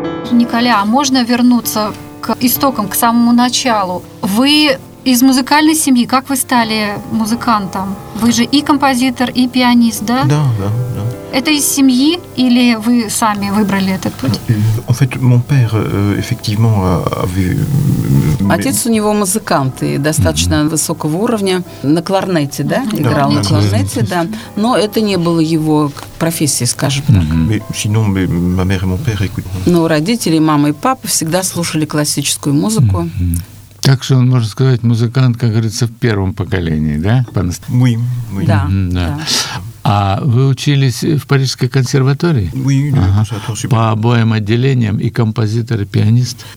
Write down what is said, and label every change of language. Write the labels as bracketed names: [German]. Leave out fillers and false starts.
[Russian] Николя, можно вернуться к истокам, к самому началу? Вы из музыкальной семьи, как вы стали музыкантом? Вы же и композитор, и пианист, да? Да, да, да. Это из семьи или вы сами выбрали этот путь? [French] En fait, mon père, effectivement, [Russian] Отец у него музыкант и достаточно высокого уровня. На кларнете, да? Играл на кларнете, да. Но это не было его профессией, скажем так. [French] Sinon, ma mère et mon père, écoute... [Russian] Но родители, мама и папа, всегда слушали классическую музыку. Так что он, можно сказать, музыкант, как говорится, в первом поколении, да? [French] Oui, oui. [Russian] Да, да. А вы учились в Парижской консерватории? [French] Oui, oui, ага. [Russian] По обоим отделениям, и композитор, и пианист?